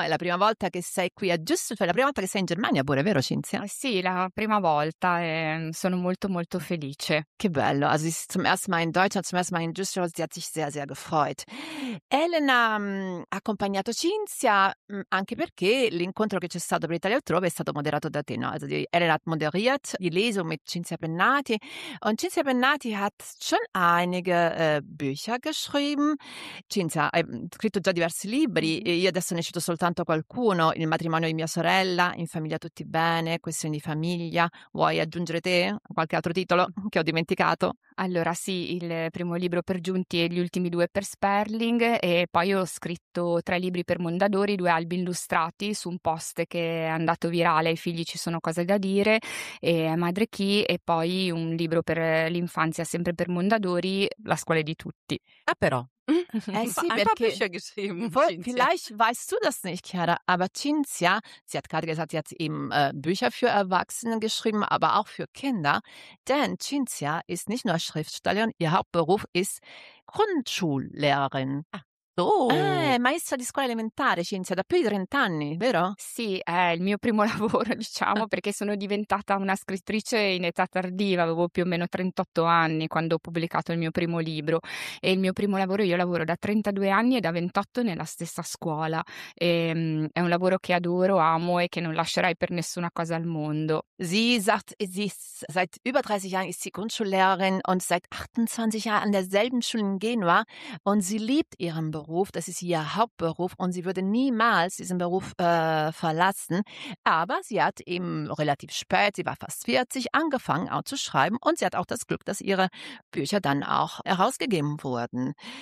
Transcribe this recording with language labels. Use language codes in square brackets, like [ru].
[it] È la prima volta che sei qui a Düsseldorf, la prima volta che sei in Germania pure, vero Cinzia? Sì, la prima volta e sono molto molto felice. Che bello, [de] also sie ist zum ersten Mal in Deutschland, zum ersten Mal in Düsseldorf, sie hat sich sehr sehr gefreut. [it] Elena ha accompagnato Cinzia anche perché l'incontro che c'è stato per Italia Altrove è stato moderato da te, no? [de] Also Elena hat moderiert die Lesung mit Cinzia Pennati. Und Cinzia Pennati hat schon einige Bücher geschrieben. [it] Cinzia, hai scritto già diversi libri. Io adesso ne cito soltanto qualcuno. Il matrimonio di mia sorella, In famiglia tutti bene, Questioni di famiglia. Vuoi aggiungere te qualche altro titolo che ho dimenticato? Allora sì, il primo libro per Giunti e gli ultimi due per Sperling. E poi ho scritto tre libri per Mondadori, due albi illustrati su un post che è andato virale, I figli ci sono cose da dire. E Madre Chi e poi un libro per l'infanzia sempre per Mondadori, La scuola di tutti. Ah però, sì, perché [de] ein paar Bücher geschrieben, Cinzia. Vielleicht weißt du das nicht, Chiara, aber Cinzia, sie hat gerade gesagt, sie hat eben Bücher für Erwachsene geschrieben, aber auch für Kinder, denn Cinzia ist nicht nur Schriftstellerin, ihr Hauptberuf ist Grundschullehrerin. Ah. Oh. [it] Maestra di scuola elementare, Cinzia, da più di 30 anni, vero? Sì, è il mio primo lavoro, diciamo, perché sono diventata una scrittrice in età tardiva, avevo più o meno 38 anni quando ho pubblicato il mio primo libro. E il mio primo lavoro, io lavoro da 32 anni e da 28 nella stessa scuola. E, è un lavoro che adoro, amo e che non lascerai per nessuna cosa al mondo. [de] Sie sagt, sie ist, seit über 30 Jahren ist sie Grundschullehrerin und seit 28 Jahren an derselben Schule in Genua und sie liebt ihren Beruf, das ist ihr Hauptberuf und sie würde niemals diesen Beruf verlassen, aber sie hat eben relativ spät, sie war fast 40, angefangen auch zu schreiben und sie hat auch das Glück, dass ihre Bücher dann auch herausgegeben wurden.